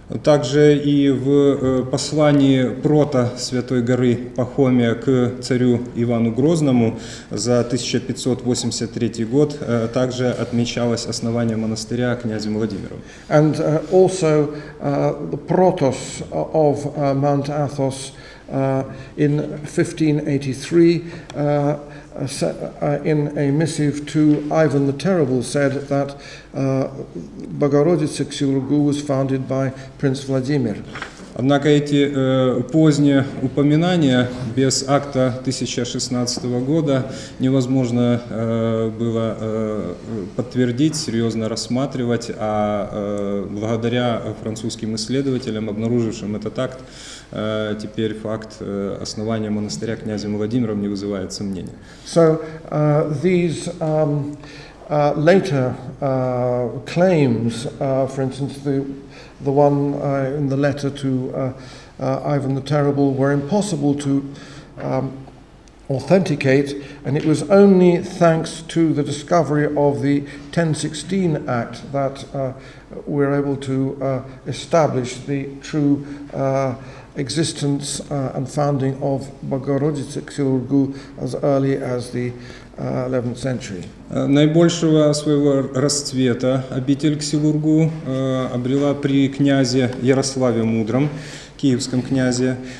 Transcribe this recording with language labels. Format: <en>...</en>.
<ru>Также и в послании прота Святой горы Пахомия к царю Ивану Грозному за 1583 год также отмечалось основание монастыря князем Владимиром.</ru> <en>And also the protos of Mount Athos in 1583 in a missive to Ivan the Terrible said that Богородица Ксилургу was founded by Prince Vladimir.</en> <ru>Однако эти поздние упоминания без акта 1016 года невозможно было подтвердить, серьезно рассматривать, а благодаря французским исследователям, обнаружившим этот акт, теперь факт основания монастыря князем Владимиром не вызывает сомнений.</ru> <en>So, these later claims, for instance, the one in the letter to Ivan the Terrible, were impossible to authenticate, and it was only thanks to the discovery of the 1016 Act that we're able to establish the true existence and founding of Богородицы Ксилургу as early as the 11th century.</en> <ru>Наибольшего своего расцвета обитель Ксилургу обрела при князе Ярославе Мудром, киевском князе.</ru>